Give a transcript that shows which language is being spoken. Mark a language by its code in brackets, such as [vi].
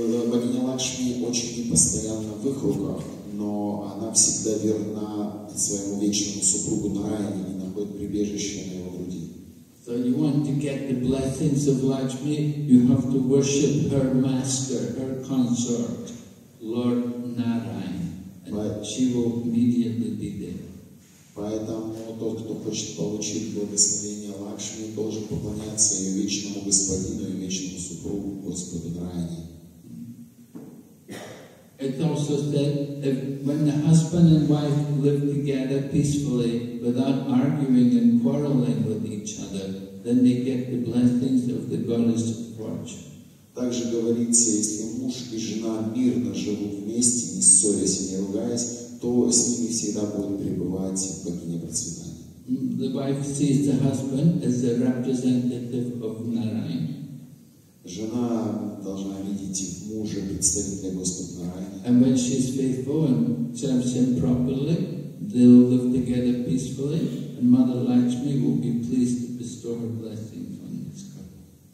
[ru] Богиня Лакшми очень непостоянна в их руках, но она всегда верна своему вечному супругу Нараяне и находит прибежище на его груди. [en] So you want to get the blessings of Lakshmi, you have to worship her master, her consort, Lord Narayana, and she will immediately be there. [ru] Поэтому тот, кто хочет получить благословение Лакшми, должен поклоняться ее вечному господину и вечному супругу Господу Нараяне. [en] It's also said if when the husband and wife live together peacefully without arguing and quarreling with each other, then they get the blessings of the goddess of fortune. [ru] Также говорится, если муж и жена мирно живут вместе, не ссорясь и не ругаясь, то с ними всегда будет пребывать богиня процветания. [en] The wife sees the husband as a representative of Narayana. [ru] Жена должна видеть мужа представителем Господа Нараяны. [en] And when she is faithful and serves him properly, they will live together peacefully, and Mother Lakshmi will be pleased to bestow her blessings on this couple.